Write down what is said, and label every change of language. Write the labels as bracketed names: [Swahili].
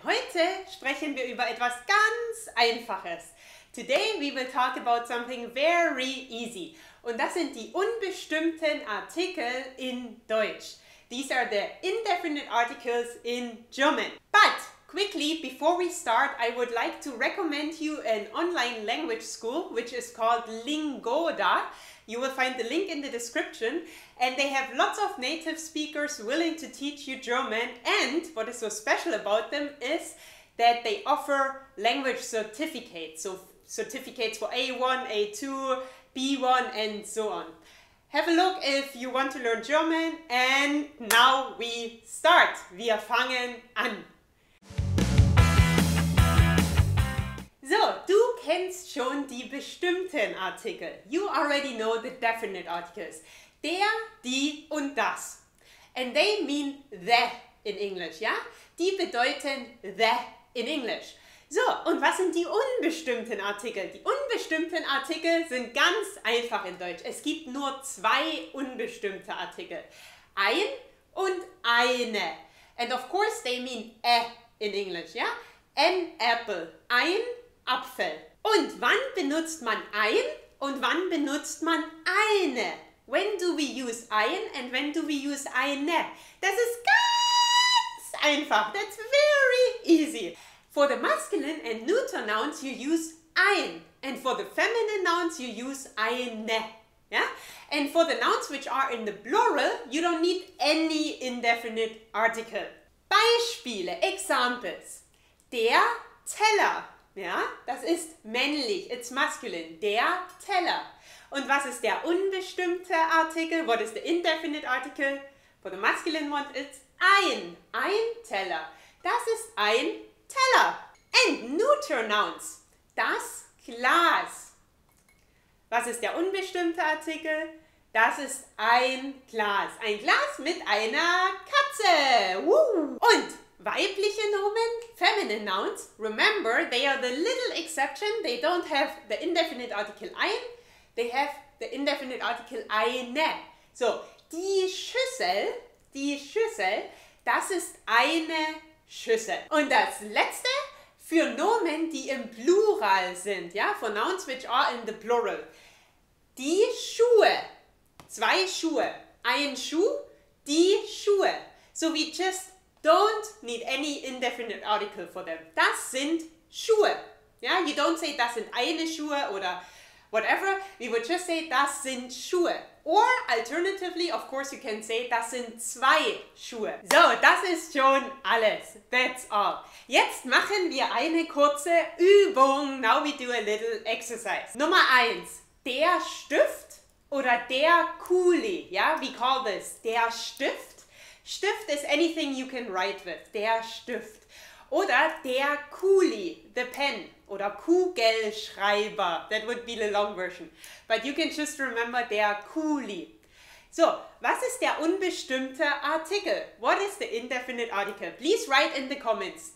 [German] Heute sprechen wir über etwas ganz Einfaches. [English] Today we will talk about something very easy. [German] Und das sind die unbestimmten Artikel in Deutsch. [English] These are the indefinite articles in German. But quickly, before we start, I would like to recommend you an online language school, which is called Lingoda. You will find the link in the description. And they have lots of native speakers willing to teach you German. And what is so special about them is that they offer language certificates. So certificates for A1, A2, B1, and so on. Have a look if you want to learn German. And now we start. [German] Wir fangen an. So, du kennst schon die bestimmten Artikel. [English] You already know the definite articles. [German] Der, die und das. [English] And they mean the in English, ja? [German] Die bedeuten the in English. So, und was sind die unbestimmten Artikel? Die unbestimmten Artikel sind ganz einfach in Deutsch. Es gibt nur zwei unbestimmte Artikel. Ein und eine. [English] And of course they mean a in English, ja? An apple. [German] Ein Apfel. Und wann benutzt man ein und wann benutzt man eine? [English] When do we use ein and when do we use eine? [German] Das ist ganz einfach. [English] That's very easy. For the masculine and neuter nouns you use ein. And for the feminine nouns you use eine. Yeah? And for the nouns which are in the plural, you don't need any indefinite article. [German] Beispiele, examples. Der Teller. Ja, das ist männlich, [English] it's masculine, [German] der Teller. Und was ist der unbestimmte Artikel? [English] What is the indefinite article? For the masculine one, it's [German] ein Teller. Das ist ein Teller. [English] And neuter nouns, [German] das Glas. Was ist der unbestimmte Artikel? Das ist ein Glas. Ein Glas mit einer Katze. [English] Woo! [German] Und weibliche Nomen, [English] feminine nouns, remember, they are the little exception. They don't have the indefinite article ein, they have the indefinite article eine. [German] So, die Schüssel, das ist eine Schüssel. Und das letzte, für Nomen, die im Plural sind, ja, [English] for nouns which are in the plural. [German] Die Schuhe, zwei Schuhe, ein Schuh, die Schuhe. [English] So, we just don't need any indefinite article for them. [German] Das sind Schuhe. Yeah? [English] You don't say, [German] das sind eine Schuhe [English] oder whatever. We would just say, [German] das sind Schuhe. [English] Or alternatively, of course, you can say, [German] das sind zwei Schuhe. So, das ist schon alles. [English] That's all. [German] Jetzt machen wir eine kurze Übung. [English] Now we do a little exercise. [German] Nummer 1. Der Stift oder der Kuli. Yeah? [English] We call this der Stift. Stift is anything you can write with. Der Stift. [German] Oder der Kuli, [English] the pen. [German] Oder Kugelschreiber. [English] That would be the long version. But you can just remember der Kuli. [German] So, was ist der unbestimmte Artikel? [English] What is the indefinite article? Please write in the comments.